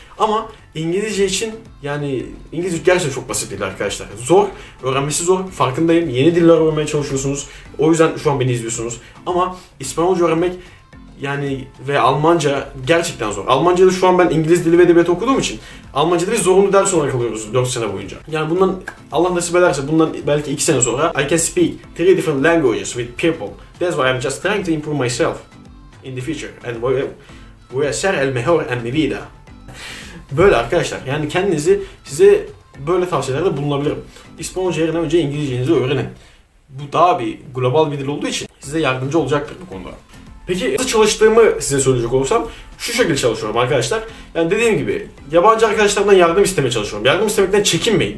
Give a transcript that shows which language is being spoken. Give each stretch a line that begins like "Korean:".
Turkish: Ama İngilizce için, yani İngilizce gerçekten çok basit değil arkadaşlar. Zor, öğrenmesi zor, farkındayım. Yeni diller öğrenmeye çalışıyorsunuz. O yüzden şu an beni izliyorsunuz. Ama İspanyolca öğrenmek, yani ve Almanca gerçekten zor. Almanca'da şu an ben İngiliz dili ve edebiyatı okuduğum için Almanca'da biz zorunlu ders olarak alıyoruz 4 sene boyunca. Yani bundan, Allah nasip ederse bundan belki 2 sene sonra
English: I can speak 3 different languages with people. That's why I'm just trying to improve myself in the future.
Spanish: And voy a ser el mejor en mi vida.
Turkish: Böyle arkadaşlar, yani kendinizi size böyle tavsiyelerde bulunabilirim. İspanyolca yerine önce İngilizcenizi öğrenin. bu daha bir global bir dil olduğu için size yardımcı olacaktır bu konuda. Peki nasıl çalıştığımı size söyleyecek olursam şu şekilde çalışıyorum arkadaşlar. Yani dediğim gibi yabancı arkadaşlarımdan yardım istemeye çalışıyorum. Yardım istemekten çekinmeyin.